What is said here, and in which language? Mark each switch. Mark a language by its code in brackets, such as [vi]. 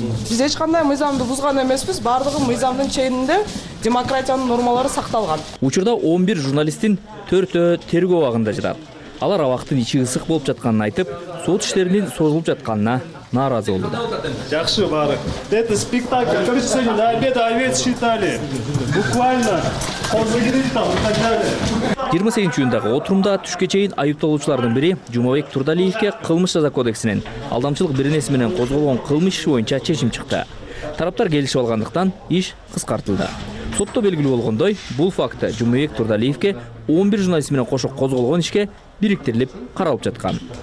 [ky] Биз эч кандай мыйзамды бузган эмеспиз, бардыгы мыйзамдын чегинде демократиянын нормалары сакталган. Учурда 11 журналисттин 4-ө тергөө багында жатат. Алар абактын ичи ысык болуп жатканын айтып, сот иштеринин созулуп жатканына нааразы болду. Жакшы баары. [ru] Это спектакль. Короче, сегодня на обед овец считали. Буквально. [ky] Кирме сегиз жүндагы отурумда түшкө чейин айыпталуучулардын бири Жумабек Турдалиевке кылмыш жаза кодексинин алдамчылык беренеси менен козголгон кылмыш иши боюнча чечим чыкты. Тараптар келишип алгандыктан иш кыскартылды. Сотто белгилүү болгондой, бул факты Жумабек Турдалиевке 11 журналист менен кошо козголгон ишке бириктирилип каралып жаткан.